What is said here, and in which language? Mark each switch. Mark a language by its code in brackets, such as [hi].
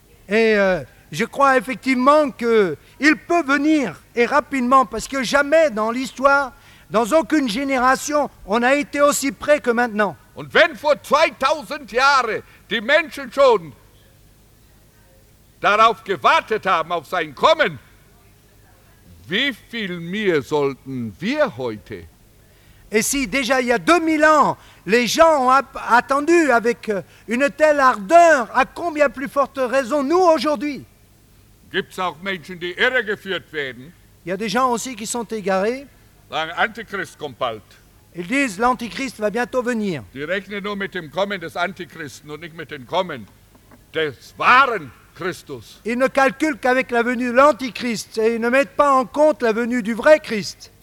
[fr] Et je crois effectivement qu'il peut venir, et rapidement, parce que jamais dans l'histoire, dans aucune génération, on a été aussi près que maintenant. [de] Und wenn vor 2000 Jahren die Menschen schon darauf gewartet haben, auf sein Kommen, wie viel mehr sollten wir heute? [fr] Et si déjà il y a 2000 ans, les gens ont attendu avec une telle ardeur, à combien plus forte raison nous aujourd'hui? [de] Gibt's auch Menschen, die irregeführt werden? [fr] Il y a des gens aussi qui sont égarés. [de] L'Antichrist kommt bald. [fr] Ils disent l'Antichrist va bientôt venir. [de] Die rechnen nur mit dem Kommen des Antichristen und nicht mit dem Kommen des Wahren. Christus. [fr] Ils ne calculent qu'avec la venue de l'Antichrist et ils ne mettent pas en compte la venue du vrai Christ.